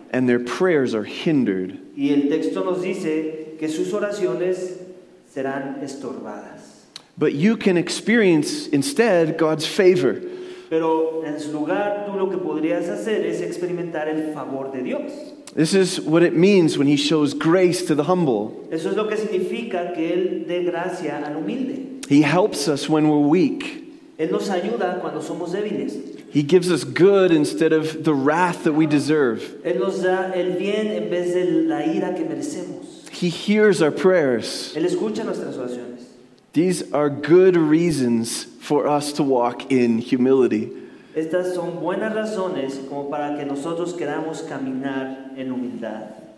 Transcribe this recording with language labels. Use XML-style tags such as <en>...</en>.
<en>And their prayers are hindered.</en> <es>Y el texto nos dice que sus oraciones serán estorbadas.</es> <en>But you can experience instead God's favor.</en> <es>Pero en su lugar, tú lo que podrías hacer es experimentar el favor de Dios.</es> <en>This is what it means when he shows grace to the humble.</en> <es>Eso es lo que significa que él dé gracia al humilde.</es> <en>He helps us when we're weak.</en> <es>Él nos ayuda cuando somos débiles.</es> <en>He gives us good instead of the wrath that we deserve.</en> <es>Él nos da el bien en vez de la ira que merecemos.</es> <en>He hears our prayers.</en> <es>Él escucha nuestras oraciones.</es> <en>These are good reasons for us to walk in humility.</en> <es>Estas son buenas razones como para que nosotros queramos caminar en humildad.</es>